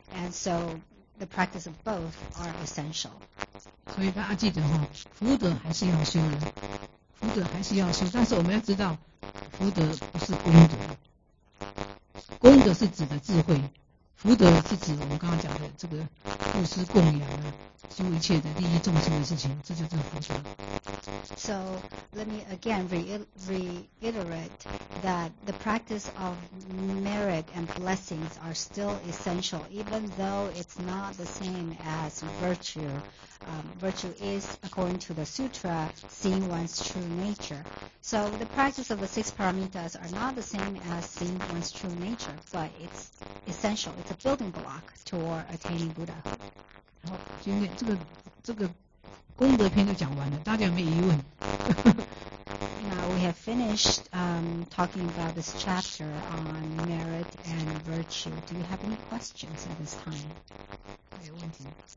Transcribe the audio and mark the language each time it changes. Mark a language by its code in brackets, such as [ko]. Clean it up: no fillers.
[en] And so the practice of both are essential. [zh] 所以大家记得哈，福德还是要修的，福德还是要修，但是我们要知道，福德不是功德，功德是指的智慧。福德是指我们刚刚讲的这个布施供养啊，修一切的利益众生的事情，这就是福德。 [en] So let me again reiterate that the practice of merit and blessings are still essential, even though it's not the same as virtue. Virtue is, according to the sutra, seeing one's true nature. So the practice of the six paramitas are not the same as seeing one's true nature, but it's essential. It's a building block toward attaining Buddhahood. [zh] 好，今天这个功德篇就讲完了，大家有没有疑问？ [en] Now we have finished talking about this chapter on merit and virtue. Do you have any questions at this time? [zh] 没问题。